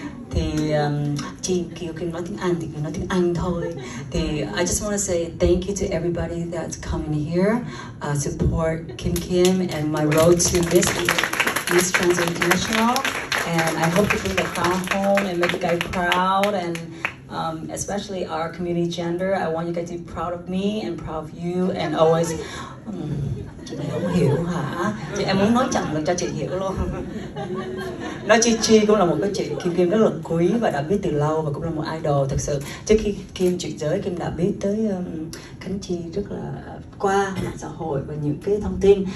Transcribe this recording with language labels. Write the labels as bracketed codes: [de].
[vi] Thì chị kêu Kim nói tiếng Anh thì Kim nói tiếng Anh thôi. [en] Thì I just want to say thank you to everybody that's coming here, support Kim Kim and my road to Miss Trans International, and I hope to bring the crown home and make you guys proud, and especially our community gender. I want you guys to be proud of me and proud of you and always. [vi] Chị này không hiểu hả? Chị em muốn nói chậm lần cho chị hiểu luôn. Nói chi chi cũng là một cái chị Kim Kim rất là quý và đã biết từ lâu, và cũng là một idol thật sự. Trước khi Kim chuyển giới, Kim đã biết tới Khánh Chi rất là qua mạng xã hội và những cái thông tin.